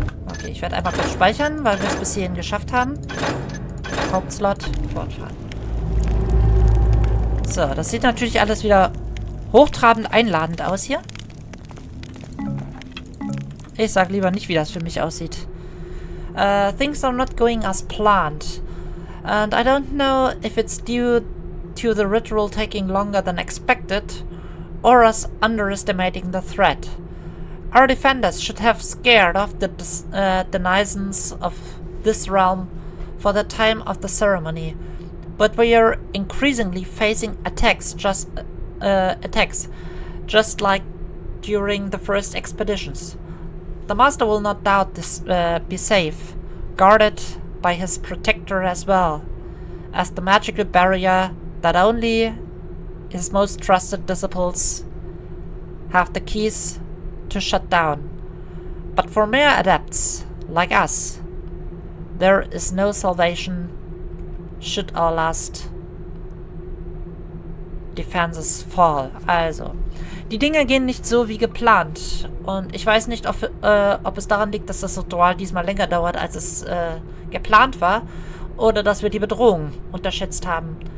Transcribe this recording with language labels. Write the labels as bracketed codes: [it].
[de] Okay, ich werde einmal kurz speichern, weil wir es bis hierhin geschafft haben. Hauptslot, fortfahren. So, das sieht natürlich alles wieder hochtrabend einladend aus hier. Ich sag lieber nicht, wie das für mich aussieht. [en] Things are not going as planned. And I don't know if it's due to the ritual taking longer than expected or us underestimating the threat. Our defenders should have scared off the denizens of this realm for the time of the ceremony. But we are increasingly facing attacks just like during the first expeditions. The master will not doubt this be safe, guarded by his protector as well, as the magical barrier that only his most trusted disciples have the keys to shut down. But for mere adepts like us, there is no salvation should our last defenses fall. [de] Also, die Dinge gehen nicht so wie geplant. Und ich weiß nicht, ob es daran liegt, dass das Ritual diesmal länger dauert, als es geplant war. Oder dass wir die Bedrohung unterschätzt haben.